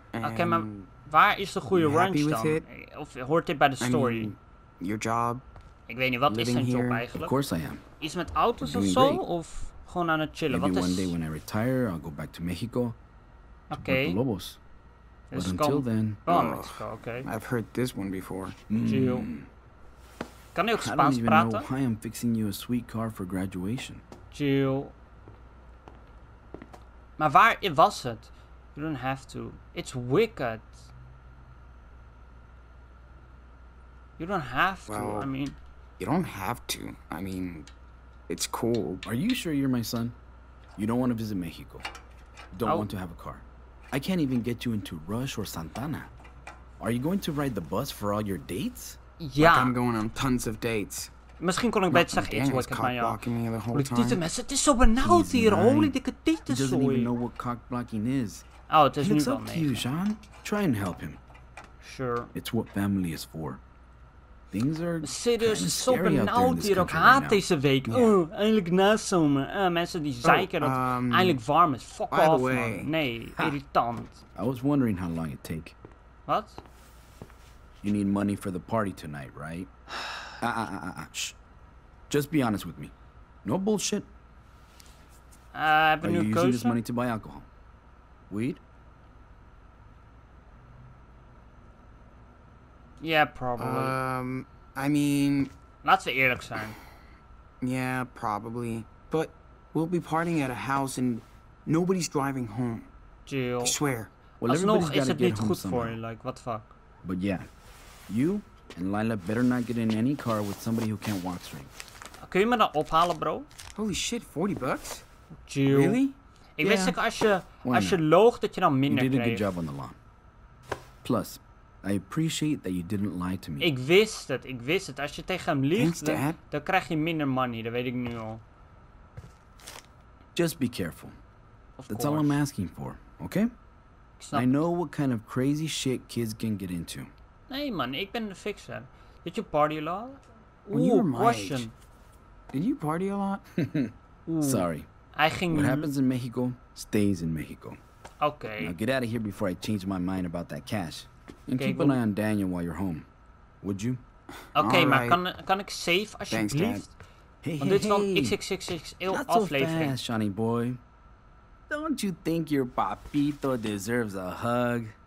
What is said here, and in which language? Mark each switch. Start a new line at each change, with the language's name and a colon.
Dutch: Okay, maar waar is de goede ranch dan? It? Of hoort dit bij de story?
English: I mean, your job.
Dutch: Ik weet niet, wat is zijn job eigenlijk?
English: Of course I am.
Dutch: Iets met auto's of zo? Of gewoon aan het chillen?
English: Maybe
Dutch: wat
English: one is... day when I retire, I'll go back to Mexico. Okay. To Lobos. But until then, okay. I've heard this one before.
Dutch: Kan hij ook Spaans praten?
English: I don't even know why I'm fixing you a sweet car for graduation. Chill.
Dutch: Maar waar was het?
English: You don't have to. It's wicked. You don't have to. Well, I mean, you don't have to. I mean, it's cool. Are you sure you're my son? You don't want to visit Mexico. Don't want to have a car. I can't even get you into Rush or Santana. Are you going to ride the bus for all your dates? Yeah. Like I'm going on tons of dates.
Dutch: Misschien kon ik beter zeggen iets wat ik aan jou.
English: Cock-blocking me the whole time.
Dutch: Holy tieten, mensen, het is zo benauwd hier. Holy dikke tieten, sorry.
English: He doesn't even know what cock-blocking is.
Dutch: Oh, het is nu wel
English: mee. It's up to you, Jean. Try and help him. Sure. It's what family is for. Things are kind of scary out there in this country right now.
Dutch: Serieus, zo benauwd hier. Ik haat deze week. Eindelijk nazomer. Mensen die zeiken dat het eindelijk warm is.
English: Fuck off, man.
Dutch: Nee, irritant.
English: I was wondering how long it take. What? You need money for the party tonight, right? Shh. Just be honest with me. No bullshit. Are you using this money to buy alcohol? Weed? Yeah, probably. I mean...
Dutch: Laten we eerlijk zijn.
English: Yeah, probably. But we'll be partying at a house and nobody's driving home. Jill. I swear.
Dutch: Well, alsnog is het niet goed voor je,
English: like, what the fuck? But yeah. You and Lila better not get in any car with somebody who can't walk straight.
Dutch: Kun je me dan ophalen, bro?
English: Holy shit, 40 bucks? Jill. Really?
Dutch: Ik wist ook als je loog dat je dan minder kreeg.
English: You did a good job on the lawn. Plus, I appreciate that you didn't lie to me.
Dutch: Ik wist het. Als je tegen hem liegt, dan krijg je minder money. Dat weet ik nu al.
English: Just be careful. Of That's course. All I'm asking for, okay? I know what kind of crazy shit kids can get into.
Dutch: Nee man, ik ben de fixer.
English: Did you party a lot? When you were my age, did you party a lot? Sorry. What happens in Mexico stays in Mexico. Okay. Now get out of here before I change my mind about that cash. And keep an eye on Daniel while you're home. Would you?
Dutch: Okay, maar kan ik safe alsjeblieft?
English: Thanks, Dad. Hey, hey, hey.
Dutch: Want dit is wel XXXXL-aflevering.
English: Not so fast, Shawnee boy. Don't you think your papito deserves a hug?